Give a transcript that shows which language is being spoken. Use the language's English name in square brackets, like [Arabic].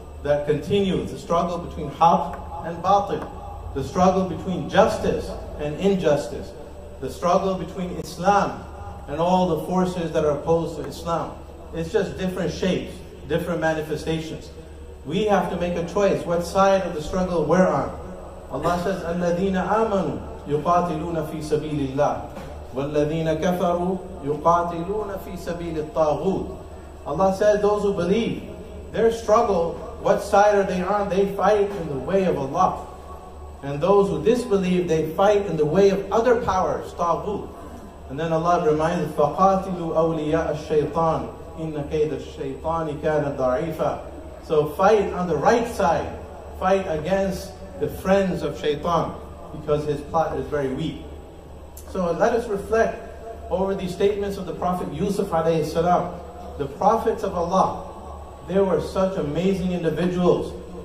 [English] that continues, the struggle between haq and batil, the struggle between justice and injustice, the struggle between Islam and all the forces that are opposed to Islam. It's just different shapes, different manifestations. We have to make a choice what side of the struggle we're on. Allah says, [Arabic] الَّذِينَ آمَنُوا يُقَاتِلُونَ فِي سَبِيلِ اللَّهِ وَالَّذِينَ كَفَرُوا يُقَاتِلُونَ فِي سَبِيلِ الطَّاغُوتِ. [English] Allah says, those who believe, their struggle, what side are they on? They fight in the way of Allah. And those who disbelieve, they fight in the way of other powers, طَاغُوتِ. And then Allah reminds, [Arabic] فَقَاتِلُوا أَوْلِيَاءَ الشَّيْطَانِ إِنَّ كَيْدَ الشَّيْطَانِ كَانَ ضَعِيفًا. [English] So fight on the right side. Fight against the friends of Shaytan, because his plot is very weak. So let us reflect over these statements of the Prophet Yusuf alayhi salam. The Prophets of Allah, they were such amazing individuals.